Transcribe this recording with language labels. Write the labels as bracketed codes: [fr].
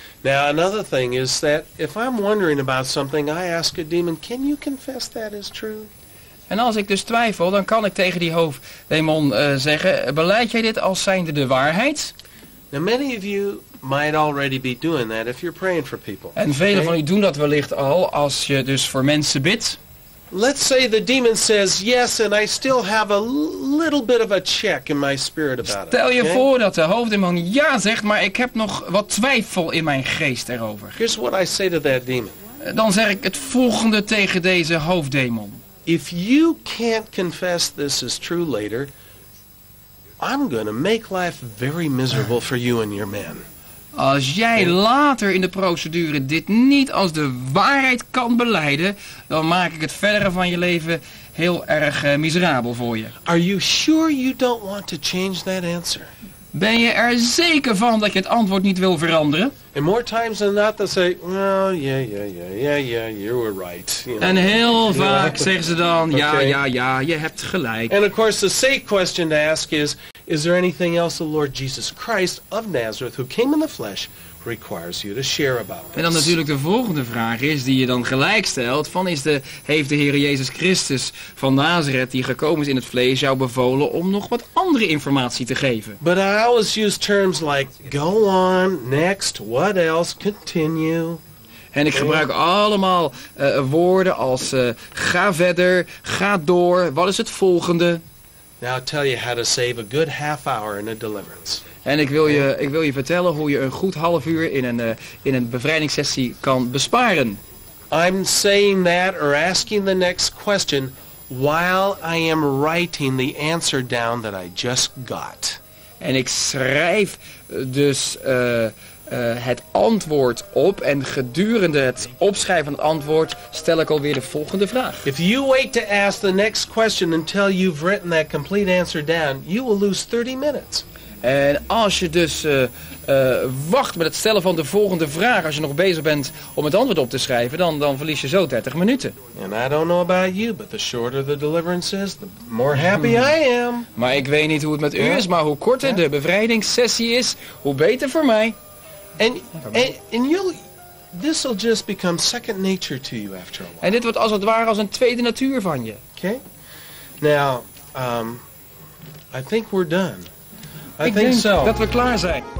[en] Now another thing is that if I'm wondering about something, I ask a demon, can you confess that is true? [nl] En als ik dus twijfel, dan kan ik tegen die hoofddemon zeggen, beleid jij dit als zijnde de waarheid? [en] Now many of you might already be doing that if you're praying for people. [nl] En velen van u doen dat wellicht al als je dus voor mensen bidt. [en] Let's say the demon says yes and I still have a little bit of a check in my spirit about it. [nl] Stel je voor dat de hoofddemon ja zegt, maar ik heb nog wat twijfel in mijn geest erover. [en] Here's what I say to that demon. [nl] Dan zeg ik het volgende tegen deze hoofddemon. [en] If you can't confess this is true later, I'm gonna make life very miserable for you and your men. [nl] Als jij later in de procedure dit niet als de waarheid kan beleiden, dan maak ik het verdere van je leven heel erg miserabel voor je. [en] Are you sure you don't want to change that answer? [nl] Ben je er zeker van dat je het antwoord niet wil veranderen? [en] And more times than not they say, well, yeah, you were right. You know. [nl] En heel vaak zeggen ze dan, okay. ja, je hebt gelijk. [en] And of course the safe question to ask is there anything else the Lord Jesus Christ of Nazareth, who came in the flesh, requires you to share about this? [nl] En dan natuurlijk de volgende vraag is, die je dan gelijk stelt, van heeft de Heer Jezus Christus van Nazareth, die gekomen is in het vlees, jou bevolen om nog wat andere informatie te geven? [en] But I always use terms like, go on, next, what else, continue. [nl] En ik gebruik allemaal woorden als, ga verder, ga door, wat is het volgende? [en] Now I'll tell you how to save a good half hour in a deliverance. [nl] En ik wil je vertellen hoe je een goed half uur in een bevrijdingssessie kan besparen. [en] I'm saying that or asking the next question while I am writing the answer down that I just got. [nl] En ik schrijf dus het antwoord op en gedurende het opschrijven van het antwoord stel ik alweer de volgende vraag. [en] If you wait to ask the next question until you've written that complete answer down, you will lose 30 minutes. [nl] En als je dus wacht met het stellen van de volgende vraag, als je nog bezig bent om het antwoord op te schrijven, dan verlies je zo 30 minuten. [en] And I don't know about you, but the shorter the deliverance is, the more happy I am. [nl] Maar ik weet niet hoe het met u is, maar hoe korter de bevrijdingssessie is, hoe beter voor mij. [en] And you'll, this will just become second nature to you after a while. [nl] En dit wordt als het ware als een tweede natuur van je. [en] Okay. Now, I think we're done. [nl] Ik denk dat we klaar zijn.